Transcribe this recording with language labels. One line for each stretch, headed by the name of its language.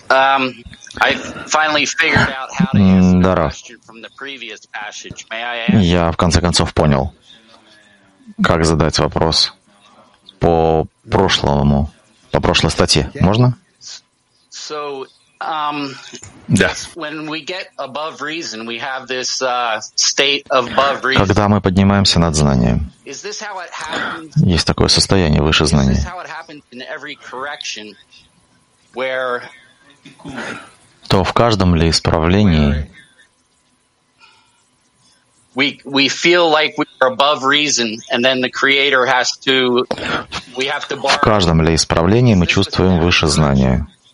English: I finally figured out how to answer the question from the previous passage. May I ask?
Russian: Я в конце концов понял, как задать вопрос по прошлому, по прошлой статье. Можно?
English: So,
Russian: Да.
English: When we get above reason, we have this state of above reason.
Russian: Когда мы поднимаемся над знанием. Есть такое состояние выше знания.
English: Is this how it happens in every correction where
Russian: то в каждом ли исправлении
English: we feel like we are above reason and then the creator has to we have to
Russian: в каждом ли исправлении мы чувствуем выше знания.